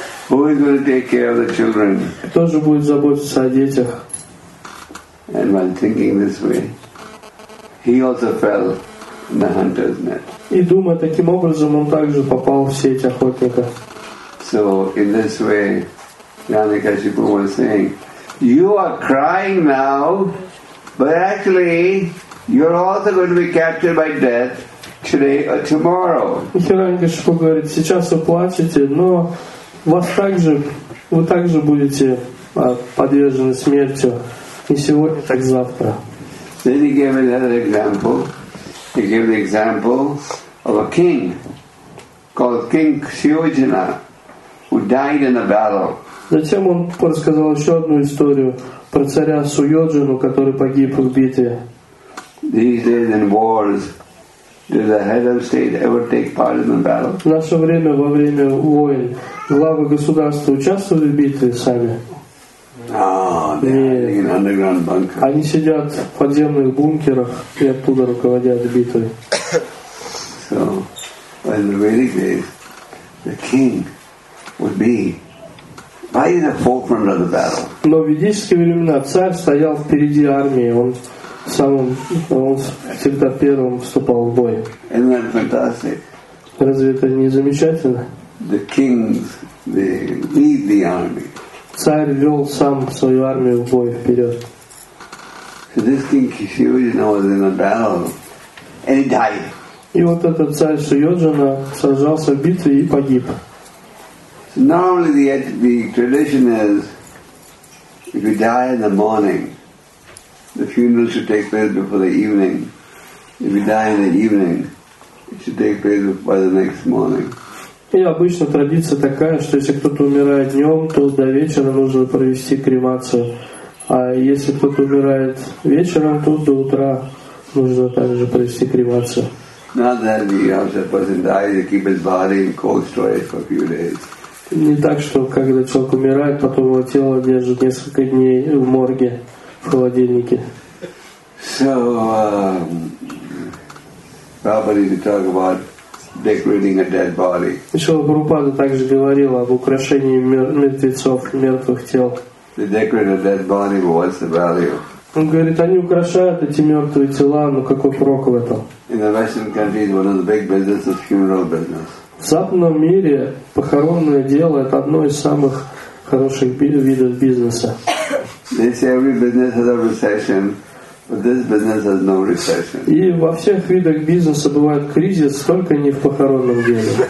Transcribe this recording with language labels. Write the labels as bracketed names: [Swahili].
[English] Who is going to take care of the children? [Russian] Кто же будет заботиться о детях? [English] And while thinking this way, he also fell in the hunter's net. [Russian] И думая таким образом, он также попал в сеть охотника. [English] So in this way, Rani Kashipu was saying, you are crying now, but actually, you're also going to be captured by death today or tomorrow. [Russian] Хирани Кешапу говорит, сейчас вы плачете, но вы также будете подвержены смерти не сегодня, так завтра. [English] Then he gave another example. He gave the example of a king called King Suyojana, who died in a battle. [Russian] Затем он рассказал еще одну историю про царя Суйоджину, который погиб в битве. [English] These days in wars, does the head of state ever take part in the battle? [Russian] В наше время, во время войн, главы государства участвовали в битве сами? Нет. Они сидят в подземных бункерах и оттуда руководят битвой. [English] So, in the Vedic days, the king would be right in the forefront of the battle. [Russian] Но в ведические времена царь стоял впереди армии. Он всегда первым вступал в бой. [English] Isn't that fantastic? [Russian] Разве это не замечательно? [English] The kings, they lead the army. [Russian] Царь вел сам свою армию в бой вперед. [English] So this king Kishiyojana was in a battle and he died. [Russian] И вот этот царь Суйоджана сражался в битве и погиб. [English] So normally the tradition is If you die in the morning, the funeral should take place before the evening. If you die in the evening, it should take place by the next morning. [Russian] И обычно традиция такая, что если кто-то умирает днем, то до вечера нужно провести кремацию. А если кто-то умирает вечером, то до утра нужно также провести кремацию. [English] Not that you have the person die, you keep his body in cold storage for a few days. [Russian] Не так, что когда человек умирает, потом его тело держит несколько дней в морге, в холодильнике. [English] So, probably to talk about decorating a dead body. [Russian] Шрила Прабхупада также говорил об украшении мертвецов, мертвых тел. [English] They decorate a dead body, but what's the value? [Russian] Он говорит, они украшают эти мертвые тела, но какой прок в этом? [English] In the Western countries, one of the big businesses is funeral business. [Russian] В западном мире похоронное дело — это одно из самых хороших видов бизнеса. [English] They say every business has a recession, but this business has no recession. [Russian] И во всех видах бизнеса бывает кризис, только не в похоронном деле.